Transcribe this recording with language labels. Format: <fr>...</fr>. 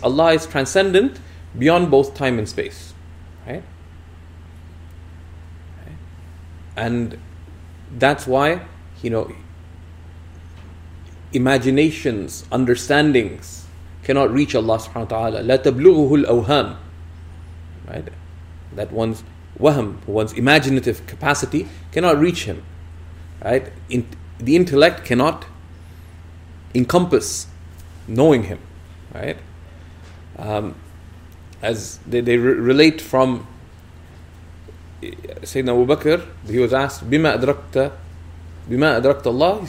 <en>Allah is transcendent beyond both time and space, right? And that's why, you know, imaginations, understandings cannot reach Allah subhanahu wa ta'ala.</en> <ar>لَا تَبْلُغُهُ الْأَوْهَامُ,</ar> <en>right? That one's wahm, one's imaginative capacity cannot reach Him, right? The intellect cannot encompass knowing Him, right? As they relate from Sayyidina Abu Bakr, he was asked, Bima adrakta Allah?</en>